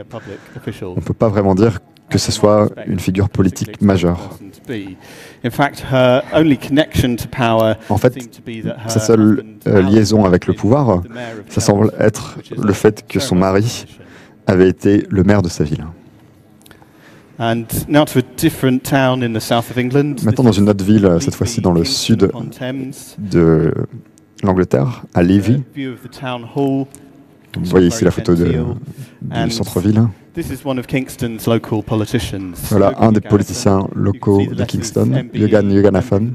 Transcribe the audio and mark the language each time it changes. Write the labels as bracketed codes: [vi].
[fr] On ne peut pas vraiment dire que ce soit une figure politique majeure. [en] In fact, her only connection to power [fr] en fait, sa seule liaison avec le pouvoir, ça semble être le fait que son mari avait été le maire de sa ville. [en] And now to a different town in the south of England. [fr] Maintenant dans une autre ville, cette fois-ci dans le sud de l'Angleterre, à Levy. Vous voyez ici la photo du centre-ville. [en] This is one of Kingston's local politicians. [fr] Voilà un des politiciens locaux de Kingston, Yoganathan.